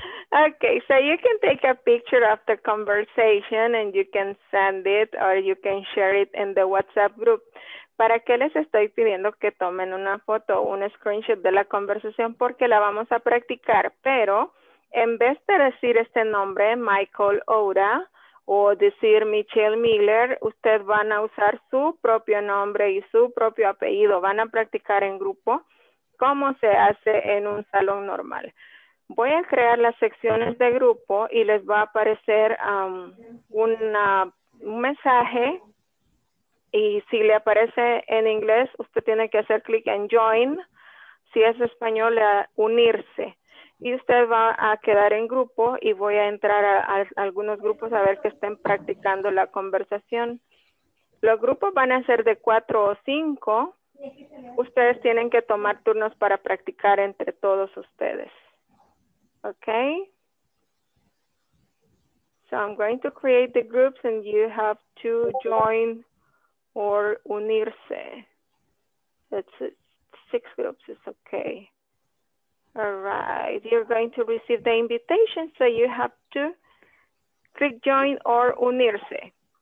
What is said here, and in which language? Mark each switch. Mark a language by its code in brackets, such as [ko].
[en] Okay, so you can take a picture of the conversation and you can send it or you can share it in the WhatsApp group. [es] ¿Para qué les estoy pidiendo que tomen una foto o un screenshot de la conversación? Porque la vamos a practicar, pero en vez de decir este nombre, Michael Oura, o decir Michelle Miller, ustedes van a usar su propio nombre y su propio apellido. Van a practicar en grupo como se hace en un salón normal. Voy a crear las secciones de grupo y les va a aparecer un mensaje. Y si le aparece en inglés, usted tiene que hacer clic en Join. Si es español, a unirse. Y usted va a quedar en grupo y voy a entrar a algunos grupos a ver que estén practicando la conversación. Los grupos van a ser de 4 o 5. Ustedes tienen que tomar turnos para practicar entre todos ustedes. Ok. [en] So I'm going to create the groups and you have to join or unirse. That's 6 groups, it's okay. All right, you're going to receive the invitation, so you have to click join or unirse.